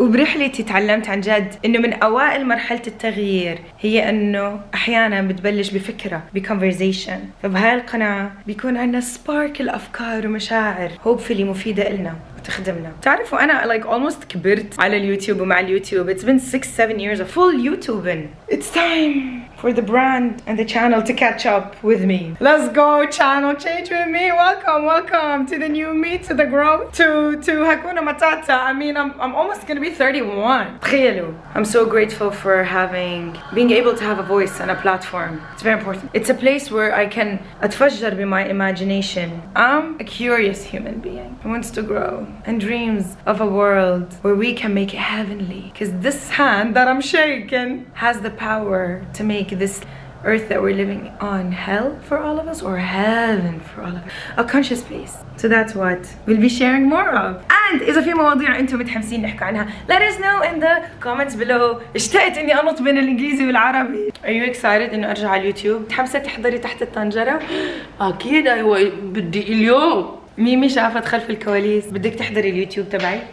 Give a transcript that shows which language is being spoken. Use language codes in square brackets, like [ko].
[ar] وبرحلتي تعلمت عن جد انه من اوائل مرحلة التغيير هي انه احيانا بتبلش بفكرة. بconversation. فبهاي القناة بيكون عندنا spark الافكار ومشاعر. Hopefully مفيدة لنا. تخدمنا. تعرفوا انا [en] like almost [ar] كبرت على اليوتيوب ومع اليوتيوب. [en] It's been 6-7 years of full YouTubing. It's time for the brand and the channel to catch up with me. Let's go channel change with me. Welcome to the new me, to the growth, to Hakuna Matata. I mean I'm almost gonna be 31. [ar] تخيلوا. [en] I'm so grateful for being able to have a voice and a platform. It's very important. It's a place where I can [ar] اتفجر بمي [en] imagination. I'm a curious human being who wants to grow and dreams of a world where we can make it heavenly. Because this hand that I'm shaking has the power to make this earth that we're living on hell for all of us or heaven for all of us. A conscious place. So that's what we'll be sharing more of. And [ar] إذا في مواضيع أنتم متحمسين نحكي عنها, [en] let us know in the comments below. [ar] اشتقت إني أنط بين الإنجليزي والعربي. [en] Are you excited [ar] إنه أرجع على اليوتيوب؟ متحمسة تحضري تحت الطنجرة؟ أكيد أيوة بدي اليوم. ميمي شافت خلف الكواليس. بدك تحضري اليوتيوب تبعي؟